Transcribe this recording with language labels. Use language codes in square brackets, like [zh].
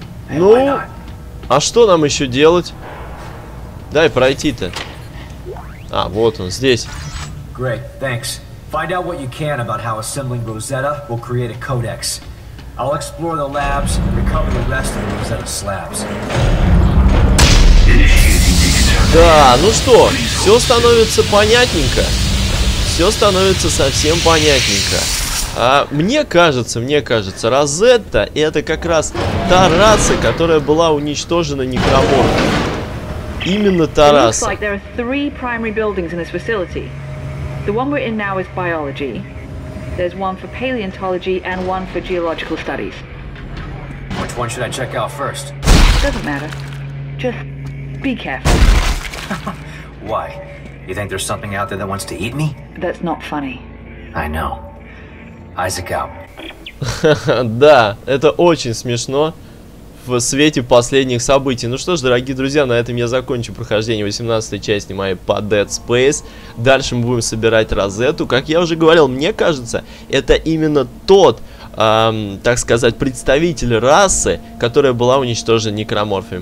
[ru] Ну, а что нам еще делать? Дай пройти-то. А, вот он, здесь. [en] Great, thanks. Find out what you can about how assembling Rosetta will create a codex. I'll explore the labs and recover the rest of the Rosetta slabs. [ru] Да, ну что, все становится понятненько. Все становится совсем понятненько. А, мне кажется, Розетта это как раз та раса, которая была уничтожена некромортом. Именно та раса. [en] It looks like there are three primary buildings in this facility. The one we're in now is biology. There's one for paleontology and one for geological studies. Which one should I check out first? Doesn't matter. Just be careful. Why? You think there's something out there that wants to eat me? That's not funny. I know. Isaac out. [ru] Да, это очень смешно в свете последних событий. Ну что ж, дорогие друзья, на этом я закончу прохождение 18-й части моей по Dead Space. Дальше мы будем собирать Розетту. Как я уже говорил, мне кажется, это именно тот, так сказать, представитель расы, которая была уничтожена некроморфами.